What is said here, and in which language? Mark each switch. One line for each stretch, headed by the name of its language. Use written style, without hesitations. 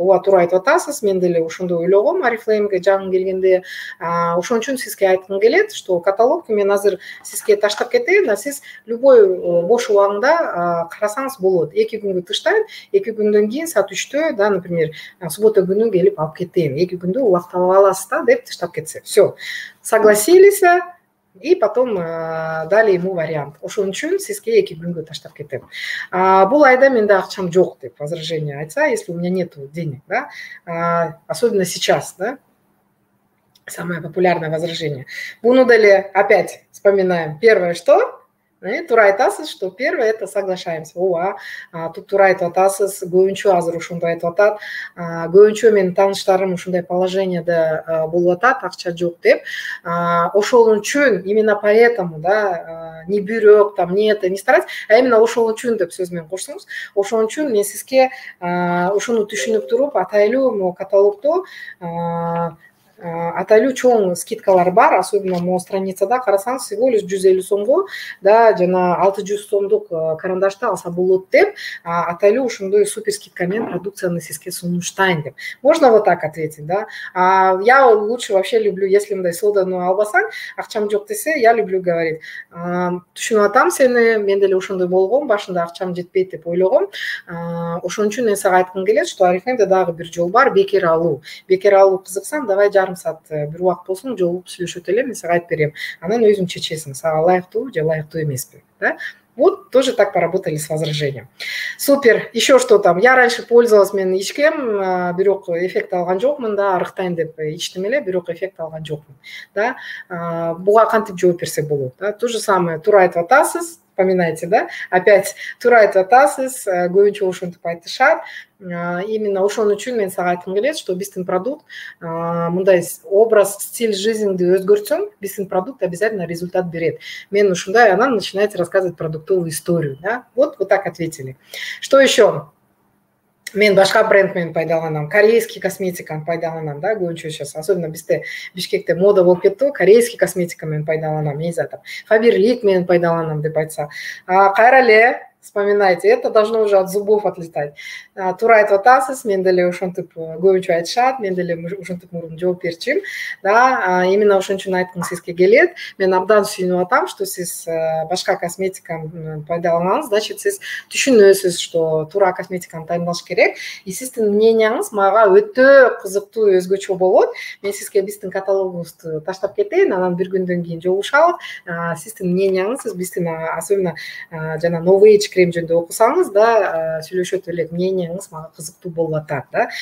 Kyrgyz: Ооба, туура айтып атасыз, мен деле ошондой ойлогом. Орифлеймге жаңы келгенде ошон үчүн сизге айткым келет, что каталогту мен азыр сизге таштап кетейин, а сиз любой бош убагында карасаңыз болот. Эки күнгө тыштайын, эки күндөн кийин саат үчтө, да, например, суббота күнү келип алып кетейин, эки күндө убакыт ала аласыз да деп тыштап кетсе.
Russian: Все, согласились. И потом дали ему вариант.
Kyrgyz: Ошон үчүн сизге эки күнгө таштап кетем. Бул айда менде акчам жок деп возражение айтса,
Russian: если у меня нет денег, да? Особенно сейчас, да? Самое популярное возражение. Буну дали опять вспоминаем. Первое что?
Kyrgyz: Турай тасыз,
Russian: что первое это соглашаемся.
Kyrgyz: Оа, тут турай тасыз, гоюнчу азыр ушундай атат, гоюнчу мен тааныштарым ушундай положение да болуватат, акча жок деп. Ошол үчүн,
Russian: именно поэтому,
Kyrgyz: да, не бирок, там, не это, не старайтесь, а именно ошол үчүн деп сөз менен коштуңуз. Ошол үчүн мен сизге ушуну түшүнүп туруп, атайлуу каталогту аталу чоң скидкалар бар, особенно мо страницада карасаң всего лишь 150 сомго, да, жана 600 сомдук карандашты алса болот деп, аталу ушундай супер скидкамен продукцияны сизге сунуштайын деп.
Russian: Можно вот так ответить, да? Я лучше вообще люблю, если
Kyrgyz: мындай соданы албасаң, акчам жок десе,
Russian: я люблю говорить.
Kyrgyz: Түшүнүп атам сени, мен деле ушундай болгом, башында акчам жетпейт деп ойлогом. Ошон үчүн мен сага айткым келет, что арифмемде дагы бир жол бар, бекер алуу. Бекер алуу кызыксаң, давай жарым саат бир убакыт болсун, жолугуп сүйлөшөт эле, мен сага айтып берем. Анан өзүң чечесиң, сага лайыктуу же лайыктуу эмеспи, да?
Russian: Вот тоже так поработали с возражением. Супер. Еще что там?
Kyrgyz: Я раньше пользовалась мен ичкем, бирок эффект алган жокмун, да, арыктайын деп ичтим эле, бирок эффект алган жокмун. Да? Буга кантип жооп берсе болот, да?
Russian: То же самое,
Kyrgyz: туура айтып атасыз.
Russian: Вспоминайте, да? Опять
Kyrgyz: туура айтып атасыз, көбүнчө ошентип айтышат. Именно ошон үчүн мен сага айткым келет, что биздин продукт, мындай образ,
Russian: стиль жизни
Kyrgyz: өзгөртсөн, биздин продукт обязательно результат берет. Мен ушундай, анан
Russian: начинаете рассказывать продуктовую историю, да?
Kyrgyz: Вот, вот так ответили. Что еще? Мен башка бренд менен пайдаланам, корейский косметиканы пайдаланам, да, көбүнчө сейчас, особенно бизде Бишкекте мода болуп кетти, корейский косметика менен пайдаланам,
Russian: не знаю, там,
Kyrgyz: Фаберлик менен пайдаланам деп айтса.
Russian: Кайра эле, вспоминайте, это должно уже от зубов отлетать.
Kyrgyz: Туура айтып атасыз, мен деле ошентип көбүнчө айтышат, мен деле ошентип мурун жооп берчим, да, именно ошон үчүн айткым сизге келет, мен абдан сүйүнүп атам, что сиз башка косметиканы пайдаланганыз, значит, сиз түшүнөсүз, что туура косметиканы тандаш керек, и сиздин мнениеңиз мага өтө кызыктуу, өзгөчө болот, мен сизге биздин каталогубузду таштап кетейин, анан бир күндөн кийин жолушалык, сиздин мнениеңиз, сиз биздин особенно жана новый крем жөнүндө окусаңыз, да, сүйлөшөт эле мнениеңиз мага кызыктуу болуп атат, да.